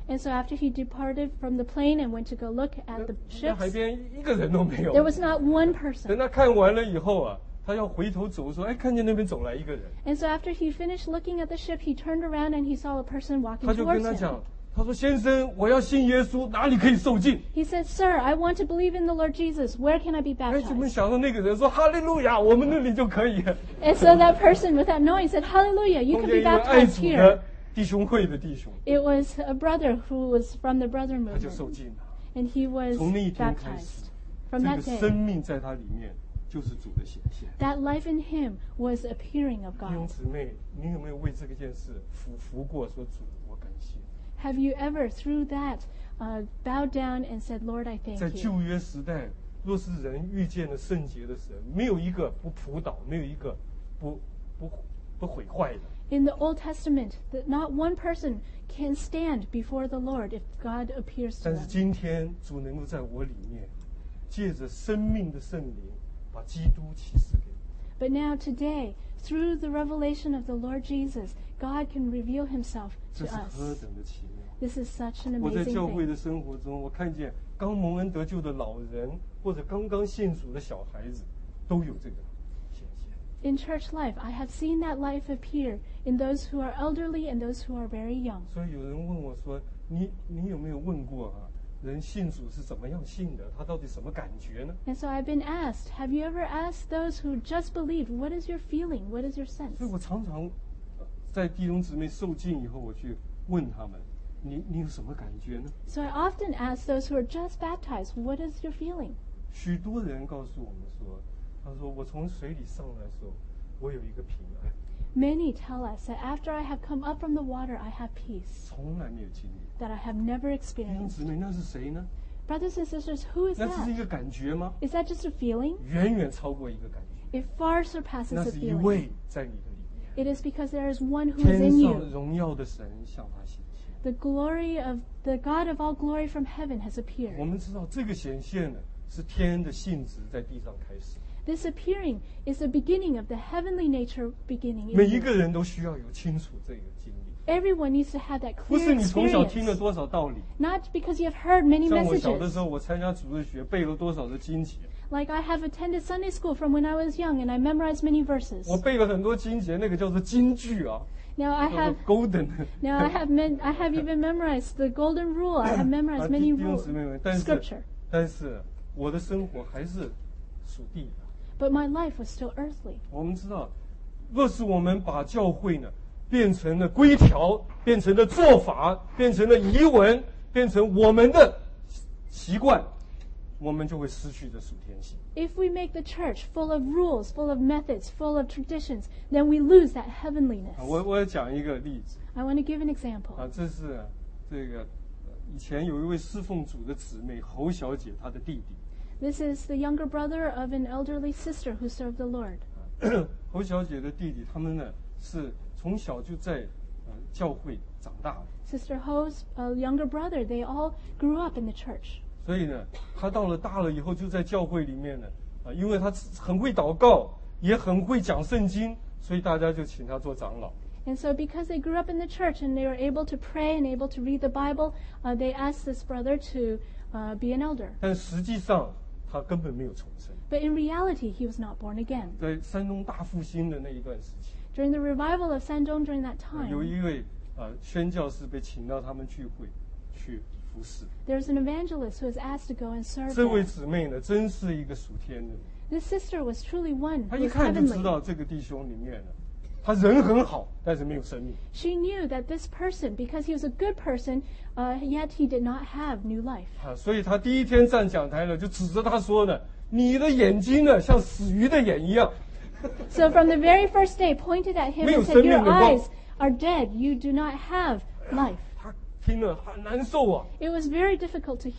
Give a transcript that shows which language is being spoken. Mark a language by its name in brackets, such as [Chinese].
[English] And so after he departed from the plane and went to go look at the ships, [Chinese] 那海边一个人都没有。 [English] There was not one person. [Chinese] 等他看完了以后啊，他要回头走，说，哎，看见那边走来一个人。 [English] And so after he finished looking at the ship, he turned around and he saw a person walking towards him. [Chinese] 他就跟他讲。他说：“先生，我要信耶稣，哪里可以受浸 [English] ？”He said, "Sir, I want to believe in the Lord Jesus. Where can I be baptized?" [Chinese] 哎，怎么想到那个人说：“哈利路亚，我们那里就可以。 [English] ”And so that person, without knowing, said, "Hallelujah, you can be baptized here." [Chinese] 碰见一位爱主的弟兄会的弟兄。 [English] It was a brother who was from the brother movement. [Chinese] 他就受浸了。 [English] And he was baptized. [Chinese] 从那一天开始，这个生命在他里面就是主的显现。 [English] That life in him was appearing of God. [Chinese] 弟兄姊妹，你有没有为这件事服过？说主，我感谢。 [English] Have you ever, through that, bowed down and said, Lord, I thank you? [Chinese] 在旧约时代，若是人遇见了圣洁的神，没有一个不仆倒，没有一个不毁坏的。 [English] In the Old Testament, not one person can stand before the Lord if God appears to them. [Chinese] 但是今天，主能够在我里面，借着生命的圣灵，把基督启示给我。 [English] But now, today, through the revelation of the Lord Jesus, God can reveal himself to us. [Chinese] 这是何等的奇妙！ [English] This is such an amazing thing. [Chinese] 我在教会的生活中，我看见刚蒙恩得救的老人，或者刚刚信主的小孩子，都有这个显现。 [English] In church life, I have seen that life appear in those who are elderly and those who are very young. [Chinese] 所以有人问我说：“你有没有问过啊？” 人信主是怎么样信的？他到底什么感觉呢 [English] ？And so I've been asked, have you ever asked those who just believed, what is your feeling, what is your sense? [Chinese] 所以我常常在弟兄姊妹受浸以后，我去问他们。你有什么感觉呢？ [English] So I often ask those who are just baptized, what is your feeling? [Chinese] 许多人告诉我们说，他说我从水里上来的时候，我有一个平安。 [English] Many tell us that after I have come up from the water, I have peace. [Chinese] 从来没有经历。 [English] That I have never experienced. [Chinese] 弟兄姊妹，那是谁呢？ [English] Brothers and sisters, who is that? [Chinese] 那只是一个感觉吗？ [English] Is that just a feeling? [Chinese] 远远超过一个感觉。 [English] It far surpasses a feeling. [Chinese] 那是一位在你的里面。 [English] It is because there is one who is in you. [Chinese] 天上荣耀的神向他显现。 [English] The glory of the God of all glory from heaven has appeared. [Chinese] 我们知道这个显现呢，是天的性质在地上开始。 [English] This appearing is the beginning of the heavenly nature beginning. [Chinese] 每一个人都需要有清楚这个经历。 [English] Everyone needs to have that clear experience. [Chinese] 不是你从小听了多少道理。 [English] Not because you have heard many messages. [Chinese] 像我小的时候，我参加主日学，背了多少的经节。 [English] Like I have attended Sunday school from when I was young, and I memorized many verses. [Chinese] 我背了很多经节，那个叫做金句啊。 [English] Now I have golden. Now I have even memorized the golden rule. I have memorized many rules. Scripture. [Chinese] 但是我的生活还是属地的。 [English] But my life was still earthly. [Chinese] 我们知道，若是我们把教会呢变成了规条，变成了做法，变成了仪文，变成我们的习惯，我们就会失去这属天性。 [English] If we make the church full of rules, full of methods, full of traditions, then we lose that heavenliness. [Chinese] 我讲一个例子。 [English] I want to give an example. [Chinese] 这是这个以前有一位侍奉主的姊妹侯小姐，她的弟弟。 [English] This is the younger brother of an elderly sister who served the Lord. [Chinese] 侯小姐的弟弟，他们呢是从小就在教会长大的。 [English] Sister Ho's younger brother, they all grew up in the church. [Chinese] 所以呢，他到了大了以后就在教会里面呢，因为他很会祷告，也很会讲圣经，所以大家就请他做长老。 [English] And so because they grew up in the church and they were able to pray and able to read the Bible, they asked this brother to be an elder. [Chinese] 但实际上他根本没有重生。 [English] But in reality, he was not born again. [Chinese] 在山东大复兴的那一段时期。 [English] During the revival of 山东 during that time. [Chinese] 有一位宣教士被请到他们聚会去服侍。 [English] There's an evangelist who was asked to go and serve. [Chinese] 这位姊妹呢真是一个属天的。 [English] This sister was truly one. [Chinese] 她一看就知道这个弟兄里面呢他人很好，但是没有生命。 [English] She knew that this person, because he was a good person, yet he did not have new life. [Chinese] 所以他第一天站讲台了，就指着他说呢：“你的眼睛呢，像死鱼的眼一样。 [English] ” So from the very first day, pointed at him and said, "Your eyes are dead. You do not have life." [Chinese] 他听了很难受啊。 [English] It was very difficult to hear.